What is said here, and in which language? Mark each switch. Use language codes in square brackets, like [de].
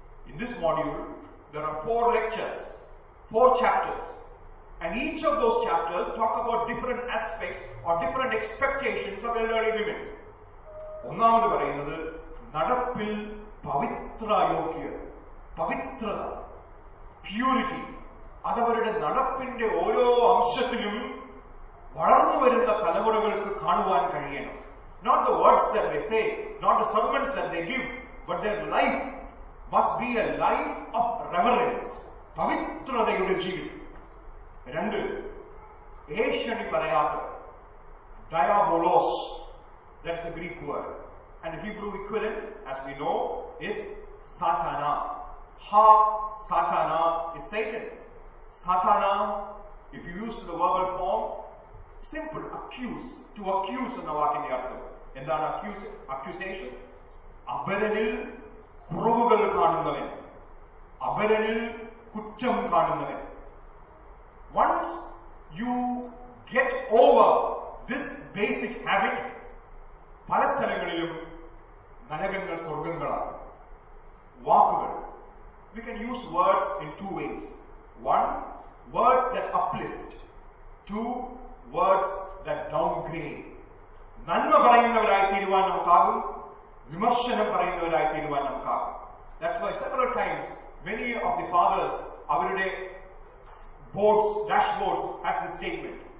[en] In this module there are four lectures, four chapters, and each of those chapters talk about different aspects or different expectations of elderly women. [ml] ഒന്നാമത്തെ പറയുന്നത് നടപ്പിൽ പവിത്രയോഗ്യ, പവിത്രത, purity, അതവരുടെ നടപ്പിന്റെ ഓരോ അംശത്തിലും വളർന്നു വരുന്ന തലമുറകൾക്ക് കാണുവാൻ കഴിയണം. [en] Not the words that they say, not the sermons that they give, but their life must be a life of reverence. [ml] പവിത്രതയുടെ ജീവിതം. രണ്ട്, ഏഷണി പറയാത്ത, ഡയാബോളോസ്, that's a Greek word. [en] And the Hebrew equivalent, as we know, is Satana. Ha Satana is Satan. Satana, if you use the verbal form, simple, accuse, to accuse in the Vakini Arthur. [ml] എന്താണ് accusation? അപരനിൽ കുറവുകൾ കാണുന്നവൻ, അപരനിൽ കുറ്റം കാണുന്നവൻ. [en] Once you get over this basic habit, പല സ്ഥലങ്ങളിലും നരകങ്ങൾ സ്വർഗങ്ങളാണ്. വാക്കുകൾ, we can use words in two ways. One, words that uplift. [ml] To, words that downgrade. നന്മ പറയുന്നവരായി തീരുവാൻ നമുക്കാകും, വിമർശനം പറയുന്നവരായി തീരുവാൻ നമുക്കാകും. [en] That's why several times many of the fathers, അവരുടെ boards, dashboards, has this statement.